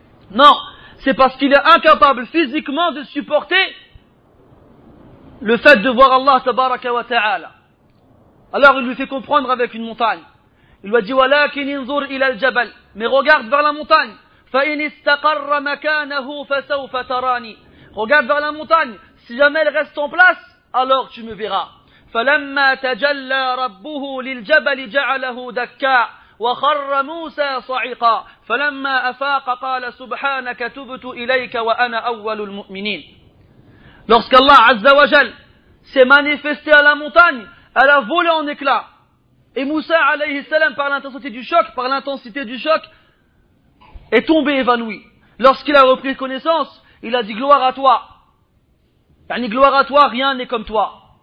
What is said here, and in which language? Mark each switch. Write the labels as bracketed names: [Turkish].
[French] Non, c'est parce qu'il est incapable physiquement de supporter le fait de voir Allah tabaraka wa ta'ala. Alors il lui fait comprendre avec une montagne. Il lui a dit, [Arabic] ولكن انظر إلى الجبل, [French] mais regarde vers la montagne. [Arabic] فإن استقر مكانه فسوف تراني, [French] regarde vers la montagne, si jamais elle reste en place, alors tu me verras. [Arabic] فلما تجلى ربه للجبل جعله دكا وخر موسى صعقا فلما أفاق قال سبحانك تبت إليك وأنا أول المؤمنين. [French] Lorsque Allah Azza wa Jal s'est manifesté à la montagne, elle a volé en éclats. Et Moussa alayhi salam, par l'intensité du choc, est tombé évanoui. Lorsqu'il a repris connaissance, il a dit gloire à toi. Yani gloire à toi, rien n'est comme toi.